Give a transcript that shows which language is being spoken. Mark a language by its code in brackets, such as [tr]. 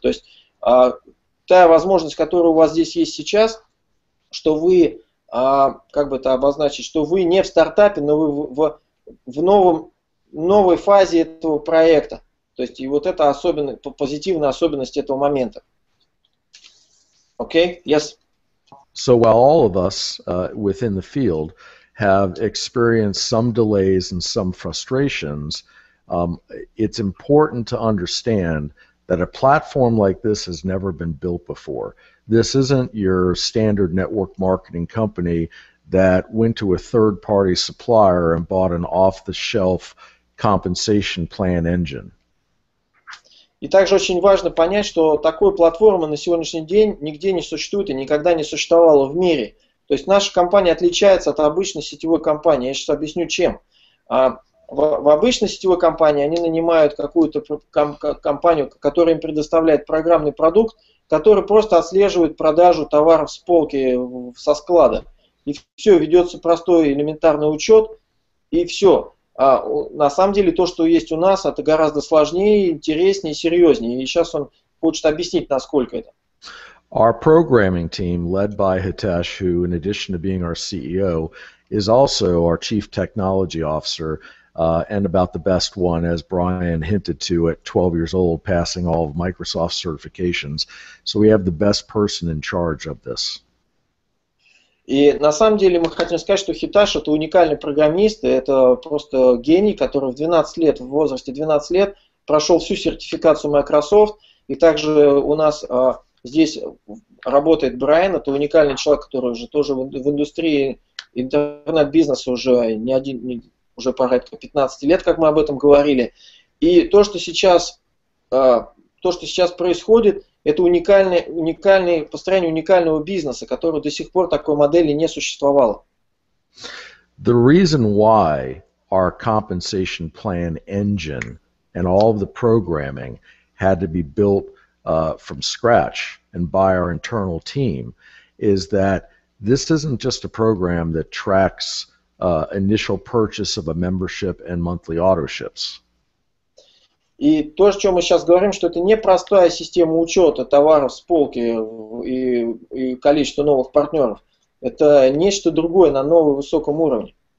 [ru] То есть та возможность, которая у вас здесь есть сейчас, что вы, как бы это обозначить, что вы не в стартапе, но вы в новой фазе этого проекта. То есть и вот это позитивная особенность этого момента. [en] Окей? Okay? Yes? So while all of us within the field have experienced some delays and some frustrations, it's important to understand that a platform like this has never been built before. This isn't your standard network marketing company that went to a third-party supplier and bought an off-the-shelf compensation plan engine. [ru] И также очень важно понять, что такой платформы на сегодняшний день нигде не существует и никогда не существовало в мире. То есть наша компания отличается от обычной сетевой компании. Я сейчас объясню, чем. В обычной сетевой компании они нанимают какую-то компанию, которая им предоставляет программный продукт, который просто отслеживает продажу товаров с полки со склада. И все, ведется простой элементарный учет, и все. А на самом деле то, что есть у нас, это гораздо сложнее, интереснее и серьезнее. И сейчас он хочет объяснить, насколько это. [en] Our programming team, led by Hitesh, who in addition to being our CEO, is also our Chief Technology Officer, and about the best one, as Brian hinted to, at 12 years old, passing all of Microsoft certifications. So we have the best person in charge of this. [ru] И на самом деле мы хотим сказать, что Hitesh — это уникальный программист, это просто гений, который в 12 лет, в возрасте 12 лет, прошел всю сертификацию Microsoft. И также у нас здесь работает Брайан, это уникальный человек, который уже тоже в индустрии интернет-бизнеса уже не один, не, уже порядка 15 лет, как мы об этом говорили. И то, что сейчас происходит, это уникальное построение уникального бизнеса, которого до сих пор такой модели не существовало. [en] The reason why our compensation plan engine and all of the programming had to be built from scratch and by our internal team is that this isn't just a program that tracks initial purchase of a membership and monthly autoships. [ru] И то, о чем мы сейчас говорим, что это не простая система учета товаров с полки и количества новых партнеров. Это нечто другое на новом высоком уровне.